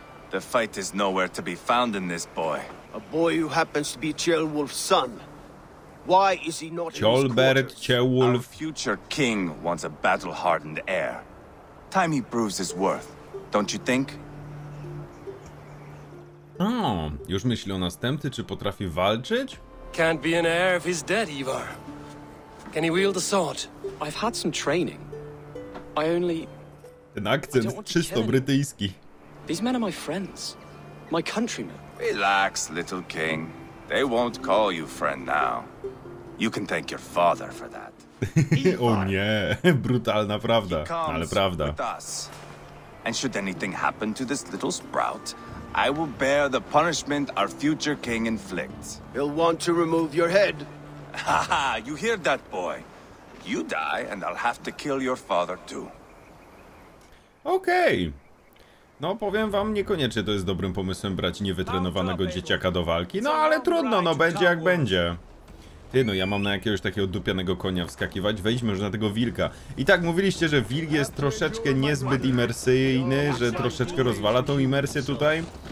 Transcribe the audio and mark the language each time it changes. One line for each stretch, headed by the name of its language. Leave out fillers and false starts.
English: The fight is nowhere to be found in this boy. A boy who happens to be Ceolwulf's son. Why is he not Ceolbert, in his quarters? Our future king wants a battle-hardened heir. Time he proves his worth, don't you think?
Polish: Oh, już myśli o następcy, czy potrafi walczyć?
English: Can't be an heir if he's dead, Ivar. Can he wield a sword? I've had some training. I only...
Polish: Ten akcent czysto brytyjski.
English: These men are my friends. My countrymen. Relax, little king. They won't call you friend now. You can thank your father for that.
Polish: O nie, brutalna prawda, ale prawda.
English: And should anything happen to this little sprout, I will bear the punishment our future king inflicts. He'll want to remove your head. Ha ha, you hear that, boy? You die and I'll have to kill your father too.
Polish: Okej. No powiem wam, niekoniecznie to jest dobrym pomysłem brać niewytrenowanego dzieciaka do walki, no ale trudno, no będzie jak będzie. Ty, no ja mam na jakiegoś takiego dupianego konia wskakiwać, wejdźmy już na tego wilka. I tak, mówiliście, że wilk jest troszeczkę niezbyt imersyjny, że troszeczkę rozwala tą imersję tutaj.